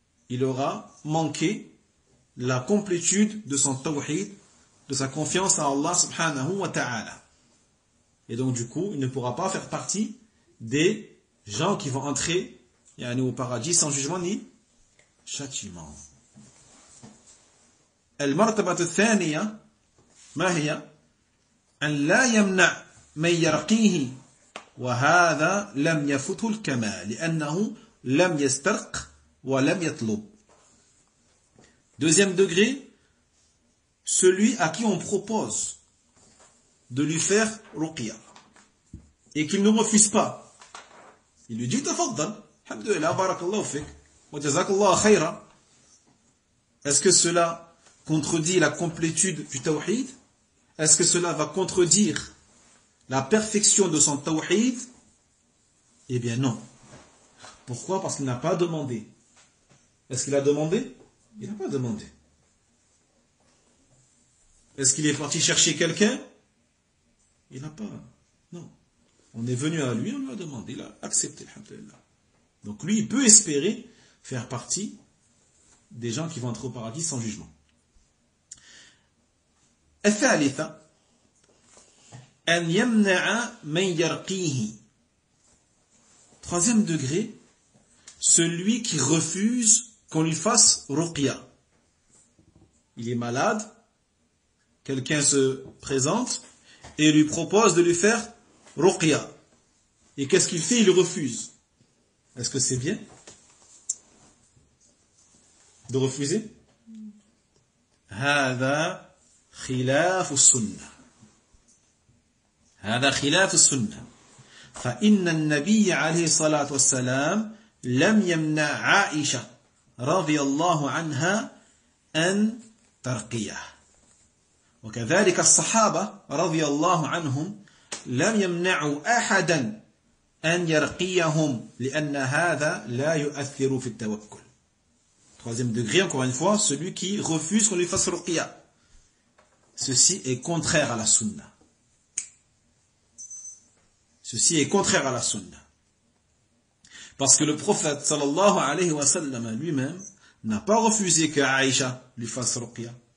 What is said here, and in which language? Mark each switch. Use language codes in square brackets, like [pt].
[fr] Il aura manqué la complétude de son tawhid, de sa confiance à Allah subhanahu wa ta'ala. Et donc, du coup, il ne pourra pas faire partie des gens qui vont entrer et aller au paradis sans jugement ni châtiment. [ar] المرتبة الثانية ما هي أن لا يمنع من يرقيه وهذا لم يفته الكمال لأنه لم يسترق ولم يطلب. [fr] Deuxième degré, celui à qui on propose de lui faire ruqya et qu'il ne refuse pas. Il lui dit [ar] تفضل الحمد لله بارك الله فيك وجزاك الله خيرا. [fr] Est-ce que cela contredit la complétude du tawhid? Est-ce que cela va contredire la perfection de son tawhid? Eh bien non. Pourquoi? Parce qu'il n'a pas demandé. Est-ce qu'il a demandé? Il n'a pas demandé. Est-ce qu'il est parti chercher quelqu'un? Il n'a pas. Non. On est venu à lui, on lui a demandé, il a accepté. Donc lui, il peut espérer faire partie des gens qui vont entrer au paradis sans jugement. [ar] الثالثة أن يمنع من يرقيه. [fr] Troisième degré, celui qui refuse qu'on lui fasse ruqya. Il est malade, quelqu'un se présente et lui propose de lui faire ruqya. Et qu'est-ce qu'il fait? Il refuse. Est-ce que c'est bien de refuser? [ar] هذا خلاف السنة. هذا خلاف السنة. فإن النبي عليه الصلاة والسلام لم يمنع عائشة رضي الله عنها أن ترقيه. وكذلك الصحابة رضي الله عنهم لم يمنعوا أحدا أن يرقيهم لأن هذا لا يؤثر في التوكل. [fr] Troisième degré, encore une fois, celui qui refuse qu'on lui fasse ruqya. Ceci est contraire à la sunna. Ceci est contraire à la sunna. Parce que le prophète, sallallahu alayhi wa sallam, lui-même, n'a pas refusé que Aïcha lui fasse ruqya.